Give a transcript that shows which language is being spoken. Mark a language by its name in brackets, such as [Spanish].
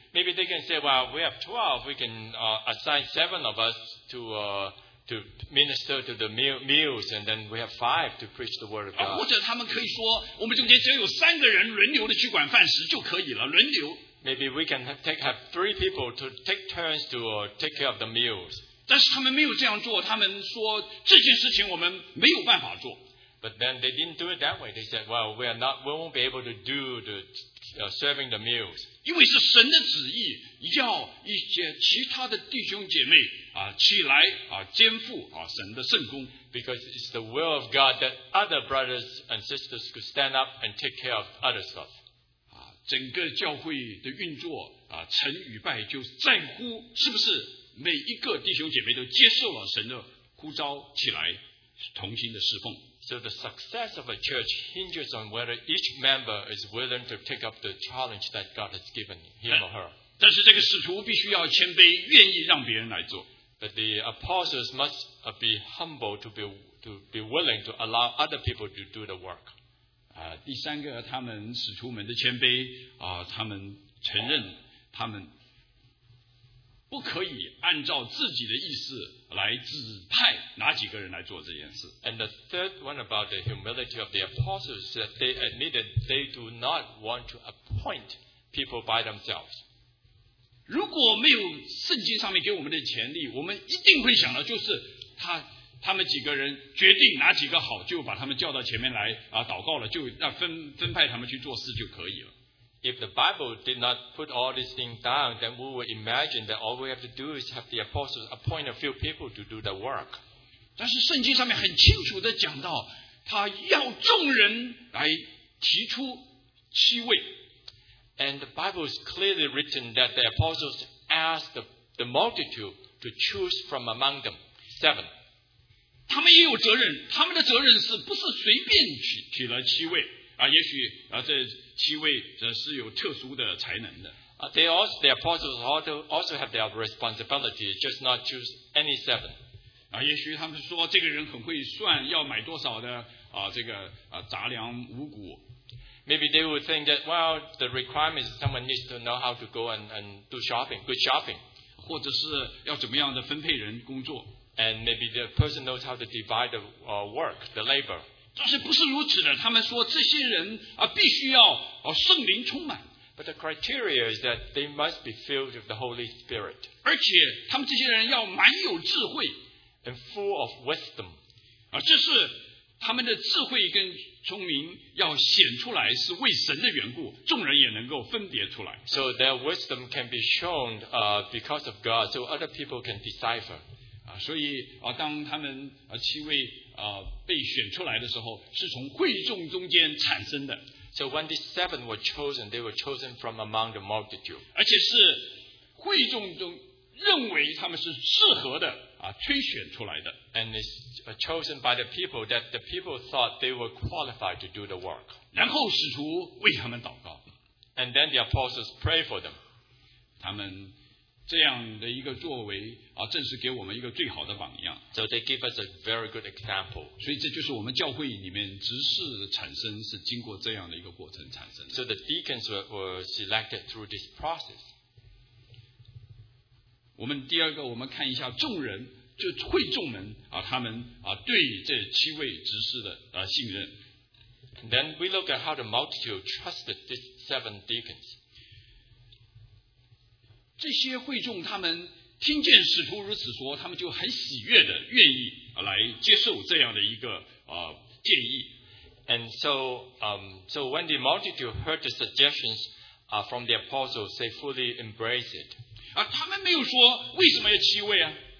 [English] Maybe they can say, well, we have 12, we can assign 7 of us to minister to the meals, and then we have 5 to preach the word of God. [Chinese] 或者他们可以说，我们中间只有三个人轮流的去管饭食就可以了，轮流。 [English] Maybe we can have 3 people to take turns to take care of the meals. [Chinese] 但是他们没有这样做，他们说这件事情我们没有办法做。 [English] But then they didn't do it that way. They said, well, we won't be able to do the serving the meals. [Chinese] 因为是神的旨意，要一些其他的弟兄姐妹起来肩负神的圣工。 [English] Because it's the will of God that other brothers and sisters could stand up and take care of other stuff. [Chinese] 整个教会的运作成与败就在乎是不是每一个弟兄姐妹都接受了神的呼召起来同心的侍奉。 [English] So the success of a church hinges on whether each member is willing to take up the challenge that God has given him or her. [Chinese] 但是这个使徒必须要谦卑，愿意让别人来做。 [English] But the apostles must be humble to be willing to allow other people to do the work. [Chinese] 第三个，他们使徒们的谦卑他们承认他们不可以按照自己的意思来指派哪几个人来做这件事。 [English] And the third one about the humility of the apostles is that they admitted they do not want to appoint people by themselves. [Chinese] 如果没有圣经上面给我们的潜力，我们一定会想到就是他们几个人决定哪几个好，就把他们叫到前面来祷告了，就分派他们去做事就可以了。 [English] If the Bible did not put all these things down, then we would imagine that all we have to do is have the apostles appoint a few people to do the work. [Chinese] 但是圣经上面很清楚地讲到，他要众人来提出七位。 [English] And the Bible is clearly written that the apostles asked the multitude to choose from among them. Seven. [Chinese] 他们也有责任，他们的责任是不是随便取了七位啊？也许啊，这七位则是有特殊的才能的。 [English] They also, the apostles also have their responsibility, just not choose any seven. [Chinese] 啊，也许他们说这个人很会算，要买多少的啊，这个啊杂粮五谷。 [English] Maybe they would think that, well, the requirement is someone needs to know how to go and do shopping, good shopping. [Chinese] 或者是要怎么样的分配人工作。 [English] And maybe the person knows how to divide the work, the labor. [Chinese] 但是不是如此的，他们说这些人啊必须要圣灵充满。 [English] But the criteria is that they must be filled with the Holy Spirit. [Chinese] 而且他们这些人要满有智慧。 [English] And full of wisdom. [Chinese] 啊，这是他们的智慧跟聪明要显出来，是为神的缘故，众人也能够分别出来。 [English] So their wisdom can be shown, because of God, so other people can decipher. [Chinese] 啊，所以啊，当他们七位被选出来的时候，是从会众中间产生的。 [English] So when these seven were chosen, they were chosen from among the multitude. [Chinese] 而且是会众中认为他们是适合的。推选出来的。 [English] And it's chosen by the people that the people thought they were qualified to do the work. [Chinese] 然后使徒为他们祷告。 [English] And then the apostles pray for them. [Chinese] 他们这样的一个作为正是给我们一个最好的榜样。 [English] So they give us a very good example. [Chinese] 所以这就是我们教会里面执事产生是经过这样的一个过程产生的。 [English] So the deacons were selected through this process. [Chinese] 我们第二个，我们看一下众人，就会众们他们对这七位执事的信任。 [English] Then we look at how the multitude trusted these seven deacons. [Chinese] 这些会众他们听见使徒如此说，他们就很喜悦的愿意来接受这样的一个建议。 [English] And so when the multitude heard the suggestions from the apostles, they fully embraced it. [Chinese] 他们没有说为什么要七位啊